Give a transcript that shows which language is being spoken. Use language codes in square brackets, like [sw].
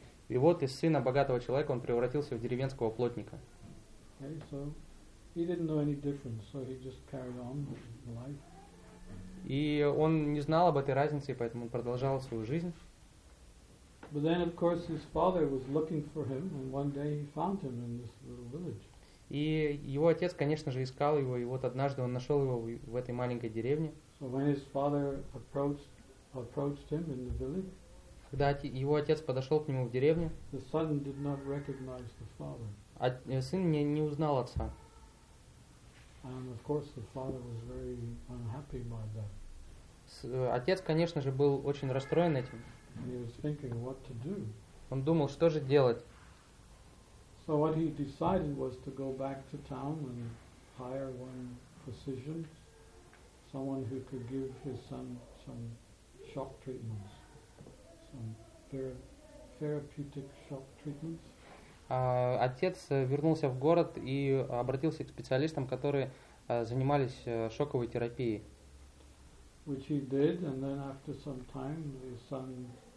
[ru] И вот из сына богатого человека он превратился в деревенского плотника. [en] Okay, so he didn't know any difference, so he just carried on with life. [ru] И он не знал об этой разнице, поэтому он продолжал свою жизнь. [en] But then, of course, his father was looking for him, and one day he found him in this little village. [ru] И его отец, конечно же, искал его, и вот однажды он нашел его в этой маленькой деревне. [en] So when his father approached him in the village, [ru] когда его отец подошел к нему в деревне, [en] the son did not recognize the father. [ru] Сын не узнал отца. [en] And of course, the father was very unhappy by that. [ru] Отец, конечно же, был очень расстроен этим. [en] And he was thinking what to do. [ru] Он думал, что же делать. [en] So what he decided was to go back to town and hire one physician, someone who could give his son some shock treatments, some therapeutic shock treatments. [ru] Отец вернулся в город и обратился к специалистам, которые занимались шоковой терапией. [en] Which he did, and then after some time, his son.